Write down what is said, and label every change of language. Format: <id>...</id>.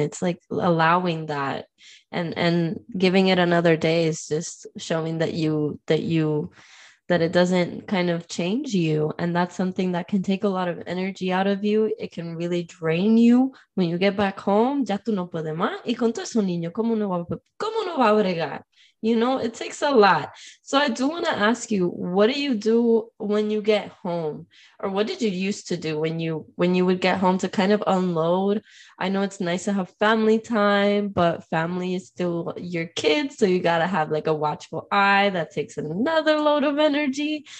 <en>It's like allowing that and giving it another day is just showing that it doesn't kind of change you. And that's something that can take a lot of energy out of you. It can really drain you when you get back home.</en> <es>Ya tú no puedes más. Y con todo su niño, ¿cómo no va a bregar?</es> <en>You know, it takes a lot. So I do want to ask you, what do you do when you get home? Or what did you used to do when you would get home to kind of unload? I know it's nice to have family time, but family is still your kids. So you got to have like a watchful eye that takes another load of energy.</en>